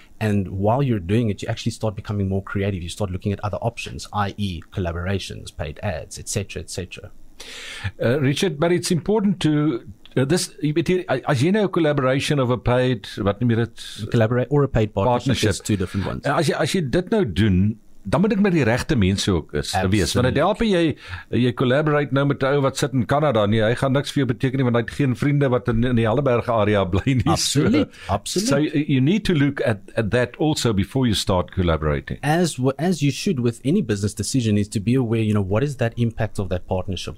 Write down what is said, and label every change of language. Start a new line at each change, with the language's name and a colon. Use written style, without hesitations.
English: And while you're doing it, you actually start becoming more creative. You start looking at other options, i.e. collaborations, paid ads, etc., etc. Richard, but it's important to collaboration of a paid,
Afrikaans: wat noem je dit?
English: Collaborate or a paid partnership. It's two different ones.
Afrikaans: As jy dit nou doen, dan moet ek met die regte mense ook wees. Want het help jy collaborate nou met die ou wat sit in Canada. Nee, hy gaan niks vir jou beteken nie, want hy het geen vriende wat in die Helleberg area bly nie. Absoluut.
English: So you need to look at that also before you start collaborating. As you should with any business decision is to be aware, you know, what is that impact of that partnership?